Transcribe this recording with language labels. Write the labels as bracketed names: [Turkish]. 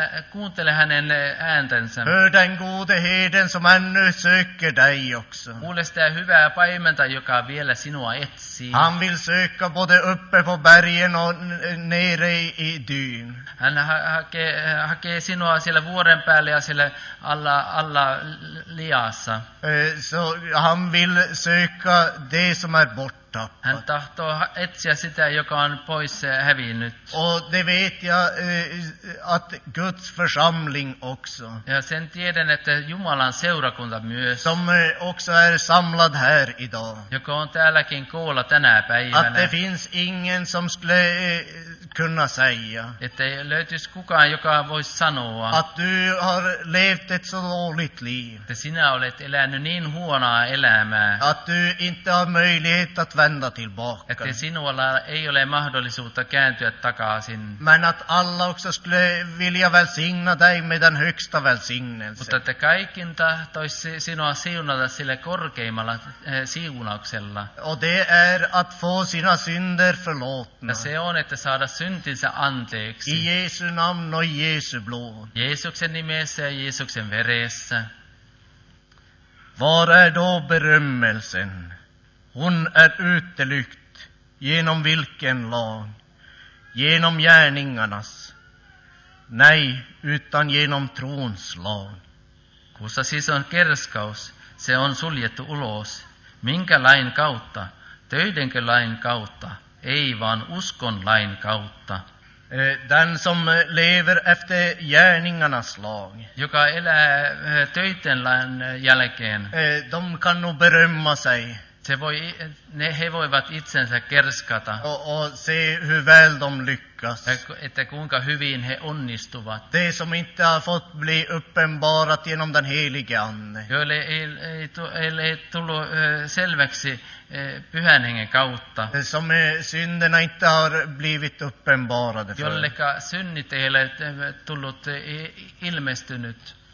[Finnish] Kuuntele hänen ääntensä. [Swedish] Hör den gode herden som ännu söker dig också. [Finnish] Kuule sitä hyvää paimenta, joka vielä sinua etsii. [Swedish] Han vill söka både uppe på bergen och nere i dyn. [Finnish] Hän hakee sinua siellä vuoren päälle ja siellä alla liassa. [Swedish] Så han vill söka det som är bort. [Finnish] Hän tahtoo etsiä sitä, joka on pois hävinnyt. [Swedish] Och det vet jag att Guds församling också. [Finnish] Ja sen tiedän, että Jumalan seurakunta myös. [Swedish] Som också är samlad här idag. [Finnish] Joka on täälläkin koolla tänä päivänä. [Swedish] Att det finns ingen som skulle kunna säga. [Finnish] Att det löytis kukaan, joka voisi sanoa. [Swedish] Att du har levt ett så dåligt liv. [Finnish] Att sinä olet elänyt niin huonoa elämää. [Swedish] Att du inte har möjlighet att vända tillbaka. [Finnish] Att sinulla ei ole mahdollisuutta kääntyä takaisin. [Swedish] Men att alla också skulle vilja välsigna dig med den högsta välsignelsen. [Finnish] Mutta että kaikki tahtoisi sinua siunata sille korkeimmalla siunauksella. [Swedish] Och det är att få sina synder förlåtna. [Finnish] Ja se on, että saada syntinsä anteeksi. [Swedish] I Jesu namn och Jesu blod. [Finnish] Jeesuksen nimessä ja Jeesuksen veressä. [Swedish] Var är då berömmelsen? Hon är utelykt. Genom vilken lag? Genom gärningarnas? Nej, utan genom trons lag. [Finnish] Kussa siis on kerskaus, se on suljettu ulos. Minkä lain kautta? Töidenkö lain kautta? Ei vaan uskon lain kautta. [Swedish] Den som lever efter gärningarnas lag. [Finnish] Joka elää töiden lain jälkeen. [Swedish] De kan nog berömma sig. [Finnish] He voivat itsensä kerskata. [Swedish] Och se hur väl de lyckas. [Finnish] Että kuinka hyvin he onnistuvat. [Swedish] De som inte har fått bli uppenbarat genom den helige ande. [Finnish] Joille ei tullut selväksi pyhän hengen kautta. [Swedish] Som synderna inte har blivit uppenbarade för. [Finnish] Jollekka synnit ei ole tullut ilmestynyt.